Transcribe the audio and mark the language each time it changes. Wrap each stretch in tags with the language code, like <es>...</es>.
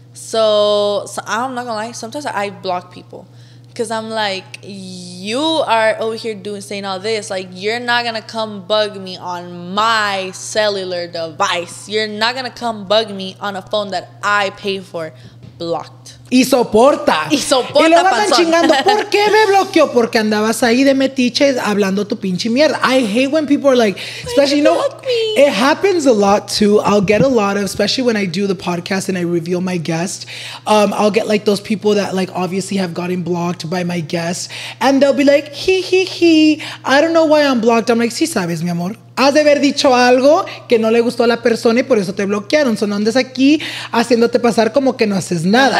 <en>So I'm not gonna lie. Sometimes I block people. Because I'm like, you are over here saying all this. Like, you're not going to come bug me on my cellular device. You're not going to come bug me on a phone that I pay for. blocked.</en> <es>Y soporta. Y soporta. Y luego andan chingando. ¿Por qué me bloqueó? Porque andabas ahí de metiche hablando tu pinche mierda.</es> <en>I hate when people are like, especially, you know, me. It happens a lot too. I'll get a lot of, especially when I do the podcast and I reveal my guest. I'll get like those people that like obviously have gotten blocked by my guest. And they'll be like, I don't know why I'm blocked. I'm like,</en> <es>sí sabes, mi amor. Has de haber dicho algo que no le gustó a la persona y por eso te bloquearon. So no andes aquí haciéndote pasar como que no haces nada.</es>